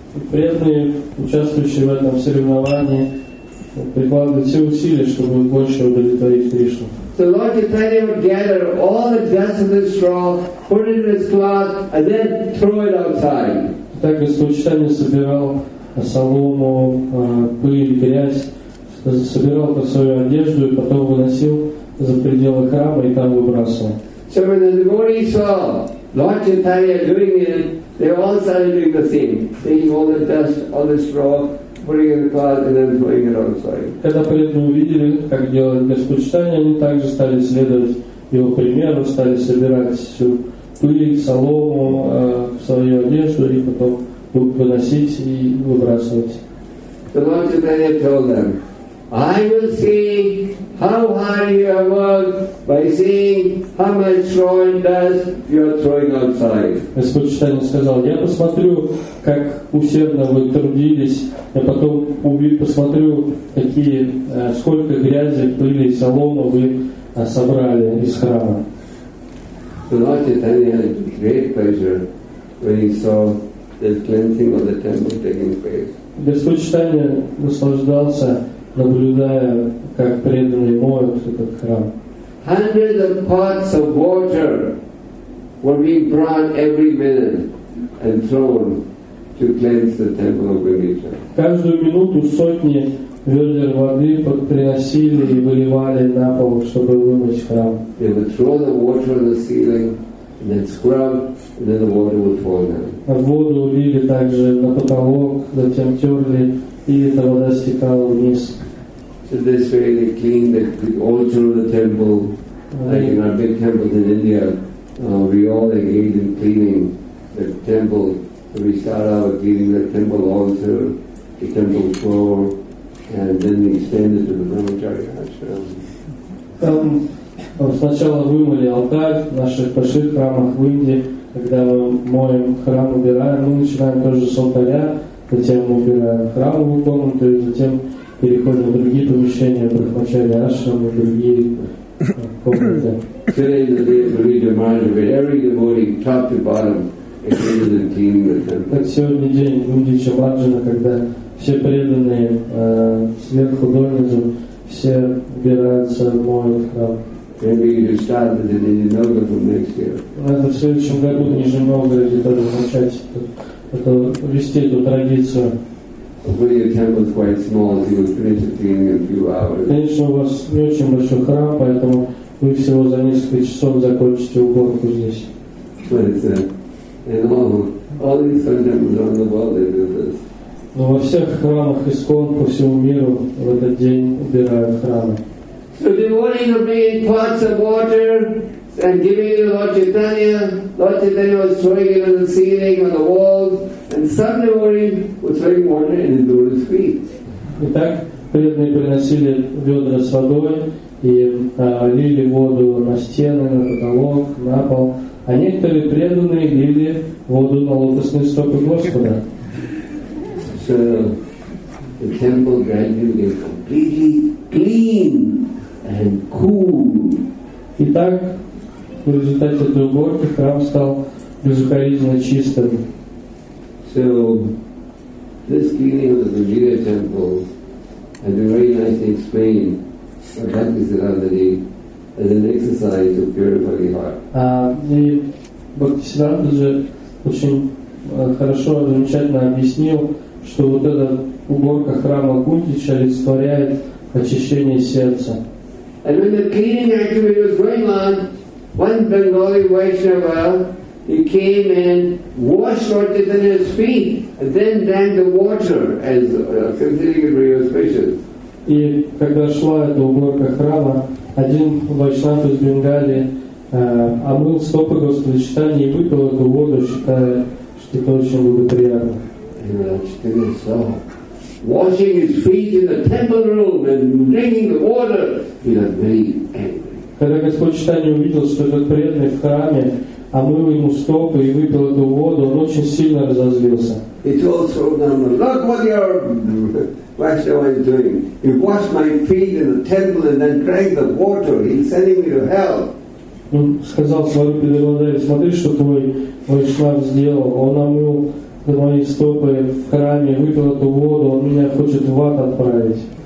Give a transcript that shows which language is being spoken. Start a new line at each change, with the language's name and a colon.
Russian: Преданные, участвующие в этом соревновании, прикладывают все усилия, чтобы больше удовлетворить Кришну.
English: So Lord Chaitanya would gather all the dust of the straw, put it in his cloth, and then throw it outside.
Russian: Так Господь Читание собирал солому, пыль, грязь, собирал под свою одежду и потом выносил за пределы храма и там выбрасывал.
English: So when the devotees saw Lord Chaitanya doing it, they all started doing the same, taking all the dust, all the straw, putting it in the cloud and then throwing it outside.
Russian: Когда преданные увидели, как делает Господь Читания, они также стали следовать его примеру, стали собирать всю пыль, солому в свою одежду и потом выносить и выбрасывать.
English: The Lord Chaitanya told them, I will see how hard you have worked by seeing how much straw and dust you are throwing outside.
Russian: Господь Читания сказал, я посмотрю, как усердно вы трудились, я потом посмотрю, какие, сколько грязи, пыли и соломы вы собрали из храма.
English: The Lord Chaitanya had great pleasure when he saw the cleansing of the temple taking place.
Russian: Господь Читания наслаждался, наблюдая, как преданные моют этот храм.
English: Hundreds of pots of water were being brought every minute and thrown to cleanse the temple of Vrindavan.
Russian: Каждую минуту сотни ведер воды приносили и выливали на пол, чтобы вымыть храм.
English: They would throw the water on the ceiling and then scrub, and then the water would fall down.
Russian: Воду лили также на потолок, затем терли, и эта вода стекала вниз.
English: So this way they cleaned the all through the temple, like in our big temples in India, we all engaged in cleaning the temple. So we start out cleaning the temple altar, the temple floor, and then we extend it to the brahmachari ashram.
Russian: Сначала вымыли алтарь в наших больших храмах в Индии, когда мы моем храм, убираем, мы начинаем тоже с алтаря, затем убираем храмовую комнату, и затем переходим в другие помещения, брахмачари ашрам и другие комнаты. Как сегодня день в Индии Чамаджина, когда все преданные сверху донизу, все убираются, моют храм.
English: Maybe you just start with the Nizhny Novgorod from next year.
Russian: Надо в следующем году в Нижнем Новгороде тоже начать вести эту традицию.
English: Hopefully your temple is quite small, so you will finish the cleaning in a few hours.
Russian: Конечно, у вас не очень большой храм, поэтому вы всего за несколько часов закончите уборку здесь.
English: But it's all these sun temples around the world, they do this.
Russian: Но во всех храмах ИСККОН по всему миру в этот день убирают храмы.
English: So devotees were bringing pots of water and giving it to Lord Chaitanya. Lord Chaitanya was throwing it on the ceiling, on the walls, and some devotees were throwing water in the Guru's feet.
Russian: Итак, преданные приносили ведра с водой и лили воду на стены, на потолок, на пол. А некоторые преданные лили воду на лотосные стопы Господа.
English: So the temple gradually became completely clean. And cool.
Russian: И так, в результате этой уборки, храм стал безукоризненно чистым.
English: So, this cleaning of the Vajira temple has been very nicely explained by Bhakti Siddhantaji as an exercise to purify the heart.
Russian: И Бхакти Сиддханта очень хорошо, замечательно объяснил, что вот эта уборка храма Кунтича олицетворяет очищение сердца.
English: And when the cleaning activity was going on, one Bengali Vaishnava, he came and washed Lord Chaitanya's feet and then drank the water as considering it very auspicious.
Russian: И когда шла эта уборка храма, один Вайшнав из Бенгали омыл стопы Господа Читания и выпил эту воду, считая, что это очень благоприятно.
English: Washing his feet in the temple room and drinking the water, he was very angry.
Russian: Когда Господь Читания увидел, что этот преданный в храме омыл ему стопы и выпил эту воду, он очень сильно разозлился.
English: He told them, "Look what your Vaishnava is doing. He washed my feet in the temple and then drank the water. He's sending me to hell."
Russian: Он сказал своему преданному, "Смотри, что твой Вайшнав сделал. Он омыл мои стопы в храме, выпил эту воду, он меня хочет в ад отправить."